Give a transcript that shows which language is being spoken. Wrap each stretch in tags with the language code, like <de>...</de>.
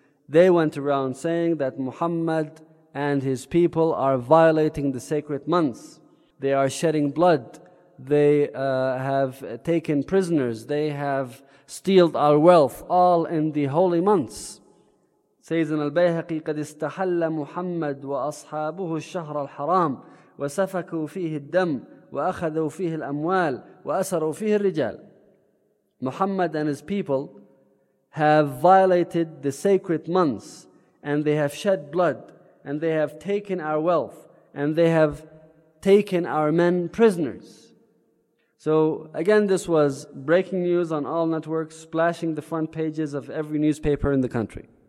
<en>They went around saying that Muhammad and his people are violating the sacred months. They are shedding blood. They have taken prisoners. They have stealed our wealth, all in the holy months.</en> <ar>Sayyidina al-Bayhaqi, قَدْ إِسْتَحَلَّ مُحَمَّدْ وَأَصْحَابُهُ الشَّهْرَ الْحَرَامِ وَسَفَكُوا فِيهِ الدَّمْ وَأَخَذُوا فِيهِ الْأَمْوَالِ وَأَسَرُوا فِيهِ الرِّجَالِ.</ar> <en>Muhammad and his people have violated the sacred months, and they have shed blood, and they have taken our wealth, and they have taken our men prisoners. So again, this was breaking news on all networks, splashing the front pages of every newspaper in the country.</en>